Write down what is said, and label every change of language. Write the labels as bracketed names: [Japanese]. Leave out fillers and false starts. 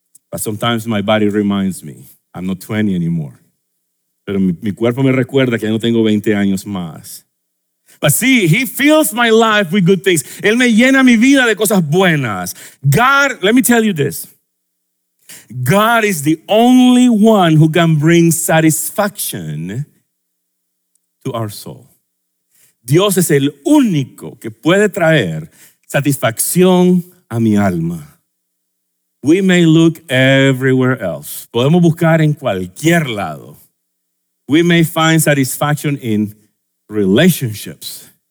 [English] But sometimes my body reminds me I'm not 20 anymore. [Spanish] Pero mi cuerpo me recuerda que ya no tengo 20 años más. [English] But see, he fills my life with good things. [Spanish] Él me llena mi vida de cosas buenas. [English] God, let me tell you this. God is the only one who can bring satisfaction to our soul. [Spanish] Dios es el único que puede traer satisfacción a mi alma. [English] We may look everywhere else. [Spanish] Podemos buscar en cualquier lado. [English] We may find satisfaction in relationships.